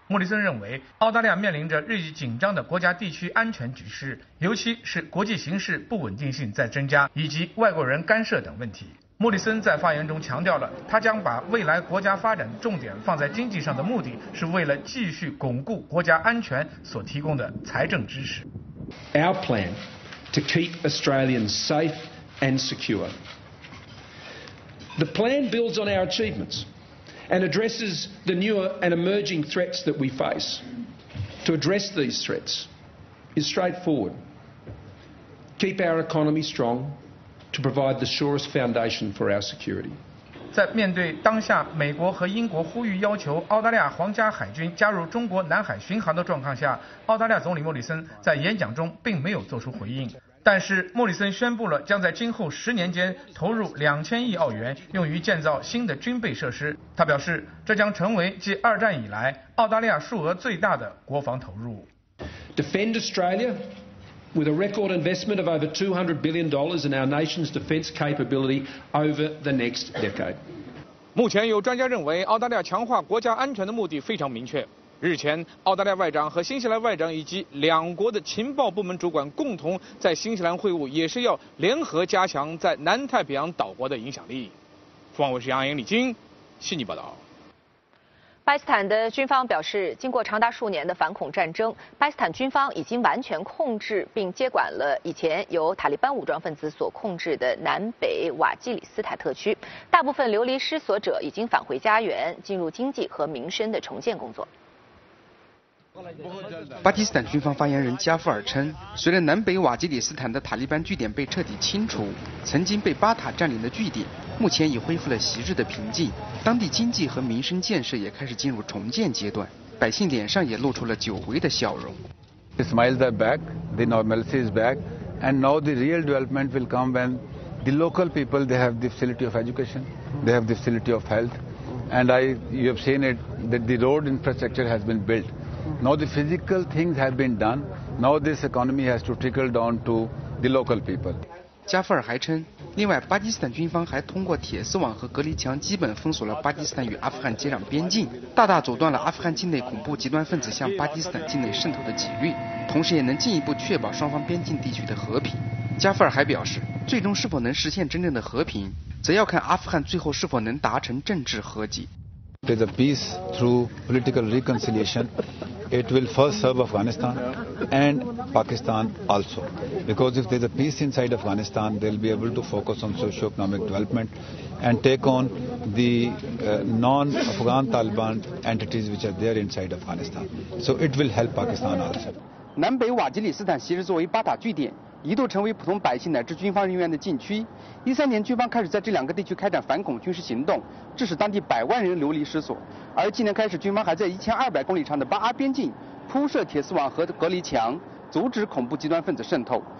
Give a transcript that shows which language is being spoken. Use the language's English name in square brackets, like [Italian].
[Chinese] 莫里森认为，澳大利亚面临着日益紧张的国家地区安全局势，尤其是国际形势不稳定性在增加，以及外国人干涉等问题。莫里森在发言中强调了，他将把未来国家发展重点放在经济上的目的是为了继续巩固国家安全所提供的财政支持。 [English] Our plan to keep Australians safe and secure. The plan builds on our achievements and addresses the newer and emerging threats that we face. To address these threats is straightforward. Keep our economy strong. To provide the surest foundation for our security. [Chinese] 在面对当下美国和英国呼吁要求澳大利亚皇家海军加入中国南海巡航的状况下，澳大利亚总理莫里森在演讲中并没有做出回应。但是莫里森宣布了将在今后10年间投入2000亿澳元用于建造新的军备设施。他表示，这将成为继二战以来澳大利亚数额最大的国防投入。 [English] Defend Australia. With a record investment of over $200 billion in our nation's defence capability over the next decade. [Chinese] 目前有专家认为，澳大利亚强化国家安全的目的非常明确。日前，澳大利亚外长和新西兰外长以及两国的情报部门主管共同在新西兰会晤，也是要联合加强在南太平洋岛国的影响力。凤凰卫视杨颖、李晶，悉尼报道。巴基斯坦的军方表示，经过长达数年的反恐战争，巴基斯坦军方已经完全控制并接管了以前由塔利班武装分子所控制的南北瓦基里斯坦特区，大部分流离失所者已经返回家园，进入经济和民生的重建工作。巴基斯坦军方发言人加富尔称，随着南北瓦基里斯坦的塔利班据点被彻底清除，曾经被巴塔占领的据点目前已恢复了昔日的平静，当地经济和民生建设也开始进入重建阶段，百姓脸上也露出了久违的笑容。 [English] The smiles are back, the normalcy is back, and now the real development will come when the local people they have the facility of education, they have the facility of health, and you have seen it that the road infrastructure has been built. Now the physical things have been done. Now this economy has to trickle down to the local people. [Chinese] 加富尔还称，另外巴基斯坦军方还通过铁丝网和隔离墙基本封锁了巴基斯坦与阿富汗接壤边境，大大阻断了阿富汗境内恐怖极端分子向巴基斯坦境内渗透的几率，同时也能进一步确保双方边境地区的和平。加富尔还表示，最终是否能实现真正的和平，则要看阿富汗最后是否能达成政治和解。 [English] There's a peace through political reconciliation. It will first serve Afghanistan. And Pakistan also, because if there's a peace inside Afghanistan, they'll be able to focus on socio-economic development and take on the non-Afghan Taliban entities which are there inside Afghanistan. So it will help Pakistan also. [Chinese] 南北瓦基里斯坦昔日作为巴塔据点，一度成为普通百姓乃至军方人员的禁区。2013年，军方开始在这两个地区开展反恐军事行动，致使当地百万人流离失所。而今年开始，军方还在1200公里长的巴阿边境铺设铁丝网和隔离墙，阻止恐怖极端分子渗透。